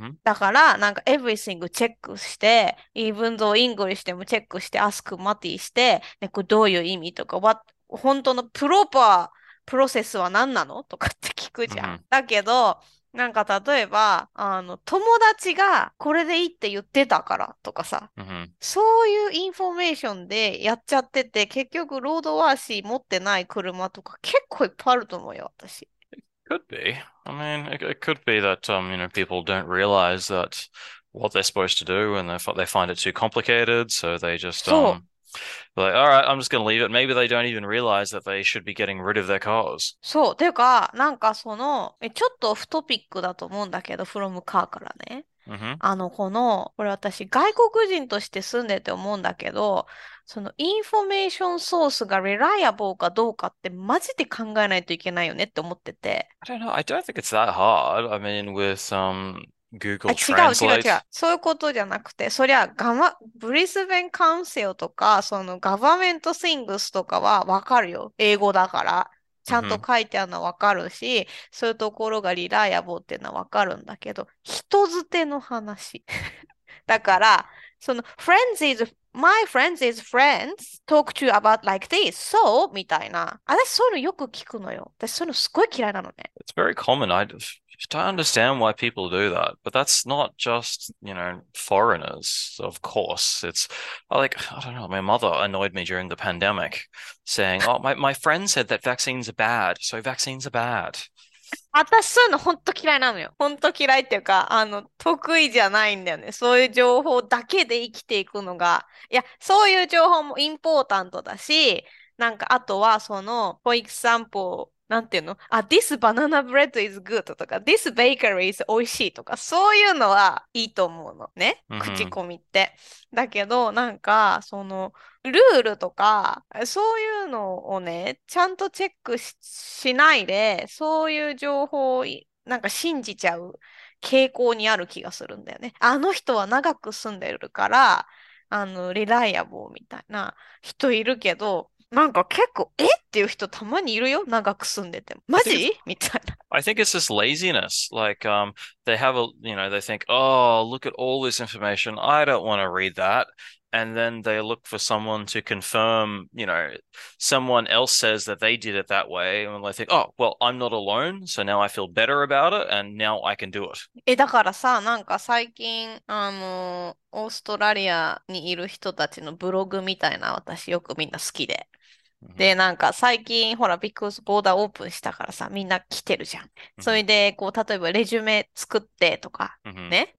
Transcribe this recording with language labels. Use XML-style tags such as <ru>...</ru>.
<ja>だからなんか everything チェックして、</ja> <en>even though English</en> <ja>でもチェックして、ask Matty して、ね、これどういう意味とか、本当のプロパープロセスは何なの？とかって聞くじゃん。だけど、なんか例えば、友達がこれでいいって言ってたからとかさ、そういうインフォメーションでやっちゃってて、結局ロードワーシー持ってない車とか結構いっぱいあると思うよ、私。</ja> <en>Could be. I mean, it could be that people don't realize that what they're supposed to do, and they find it too complicated, so they just</en> <ja>そう。</ja> <en>like, all right, I'm just gonna leave it. Maybe they don't even realize that they should be getting rid of their cars.</en> <ja>そう。ていうか、なんかその、ちょっとオフトピックだと思うんだけど、</ja> <en>from car</en> <ja>からね。これ私、外国人として住んでて思うんだけど、そのインフォメーションソースがリライアボーかどうかって、マジで考えないといけないよねって思ってて。</ja> <en>I don't know. I don't think it's that hard. I mean, with あ、 Google</en> <ja>違う違う違う。</ja> <en>Translate.</en> <ja>そういうことじゃなくて、そりゃ、ブリスベンカウンセルとか、そのガバメントシングスとかはわかるよ。英語だから。ちゃんと書いてあるのわかるし、そういうところがリライアボーっていうのはわかるんだけど、人づての話。だから、その、</ja> <en>my friends is friends talk to you about like this, so?</en> <ja>みたいな。私そういうのよく聞くのよ。私そういうのすごい嫌いなのね。</ja> <en>It's very common. I don't understand why people do that, but that's not just, foreigners, of course. It's like, I don't know, my mother annoyed me during the pandemic saying, oh, my friend said that vaccines are bad, so vaccines are bad.</en> <ja>私そういうの本当嫌いなのよ。本当嫌いっていうか、得意じゃないんだよね。そういう情報だけで生きていくのが。いや、そういう情報もインポータントだし、なんか、あとは、その、</ja> <en>for example、</en> <ja>なんていうの？あ、</ja> <en>this banana bread is good</en> <ja>とか、</ja> <en>this bakery is</en> <ja>美味しいとか、そういうのはいいと思うの。ね。口コミって。だけど、なんか、その、ルールとか、そういうのをね、ちゃんとチェックしないで、そういう情報をなんか信じちゃう傾向にある気がするんだよね。あの人は長く住んでるから、リライアボーみたいな人いるけど、なんか結構、え？っていう人たまにいるよ、長く住んでても。マジ？みたいな。</ja> <en>I think it's just laziness. Like, they have a, they think, oh, look at all this information. I don't want to read that. And then they look for someone to confirm, someone else says that they did it that way. And they think, oh, well, I'm not alone. So now I feel better about it. And now I can do it.</en> <ja>え、だからさ、なんか最近、オーストラリアにいる人たちのブログみたいな、私よくみんな好きで。で、なんか最近、ほら、ビッグボーダーオープンしたからさ、みんな来てるじゃん。それで、こう、例えば、レジュメ作ってとか、ね。</ja>